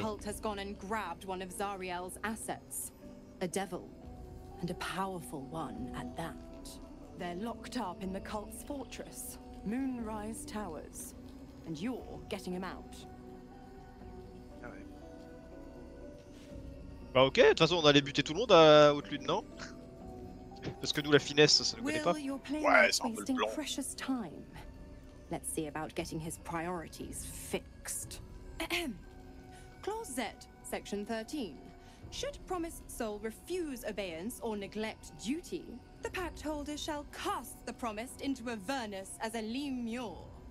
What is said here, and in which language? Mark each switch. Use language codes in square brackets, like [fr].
[en] Cult has gone and grabbed one of Zariel's assets, a devil, and a powerful one at that. They're locked up in the cult's fortress, Moonrise Towers, and you're getting him out. [fr] Bah ok, de toute façon on allait buter tout le monde à Haute-Lune, non? Parce que nous la finesse, ça ne connaît pas. Ouais, c'est un peu le plan. [en] Let's see about getting his priorities fixed. Clause Z, section 13. Should promised soul refuse obeyance or neglect duty, the pact holder shall cast the promised into Avernus as a lemure.